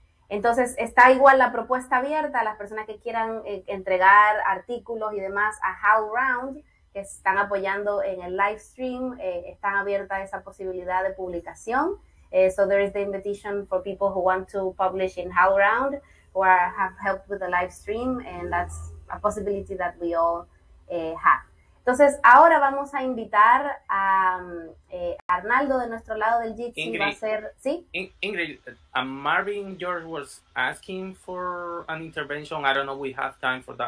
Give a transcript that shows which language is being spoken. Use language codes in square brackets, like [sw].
[es] Entonces, está igual la propuesta abierta a las personas que quieran entregar artículos y demás a HowlRound, que están apoyando en el live stream, están abierta esa posibilidad de publicación. [en] So there is the invitation for people who want to publish in HowlRound or have helped with the live stream, and that's a possibility that we all have. [es] Entonces, ahora vamos a invitar a Arnaldo de nuestro lado del Jitsi. Ingrid, va a ser, ¿sí? [en] Ingrid, Marvin George was asking for an intervention. I don't know if we have time for that.